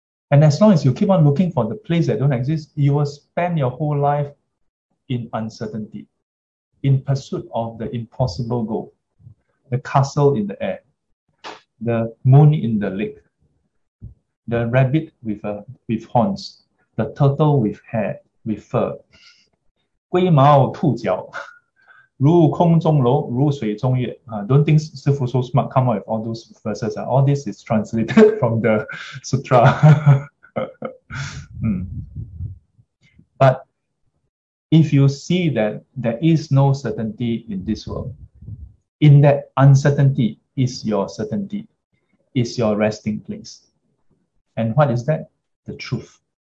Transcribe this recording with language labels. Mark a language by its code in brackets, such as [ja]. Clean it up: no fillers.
[en] And as long as you keep on looking for the place that don't exist, you will spend your whole life in uncertainty, in pursuit of the impossible goal, the castle in the air, the moon in the lake, the rabbit with horns, the turtle with hair, with fur. [zh] 龟毛兔脚，如空中楼，如水中月. [en] Don't think Sifu so smart, come up with all those verses. All this is translated from the sutra. But if you see that there is no certainty in this world, in that uncertainty is your certainty, is your resting place. And what is that? The truth.